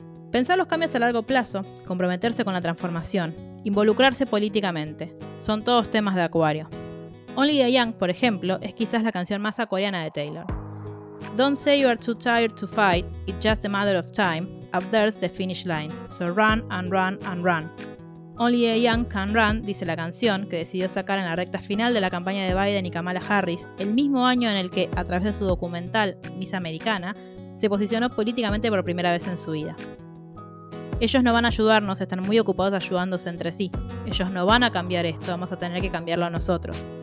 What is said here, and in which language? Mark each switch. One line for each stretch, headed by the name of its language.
Spanish: Pensar los cambios a largo plazo, comprometerse con la transformación, involucrarse políticamente, son todos temas de Acuario. Only the Young, por ejemplo, es quizás la canción más acuariana de Taylor.
English: "Don't say you are too tired to fight, it's just a matter of time, up there's the finish line, so run and run and run. Only the Young can run",
Spanish: dice la canción, que decidió sacar en la recta final de la campaña de Biden y Kamala Harris, el mismo año en el que, a través de su documental Miss Americana, se posicionó políticamente por primera vez en su vida. "Ellos no van a ayudarnos, están muy ocupados ayudándose entre sí. Ellos no van a cambiar esto, vamos a tener que cambiarlo nosotros.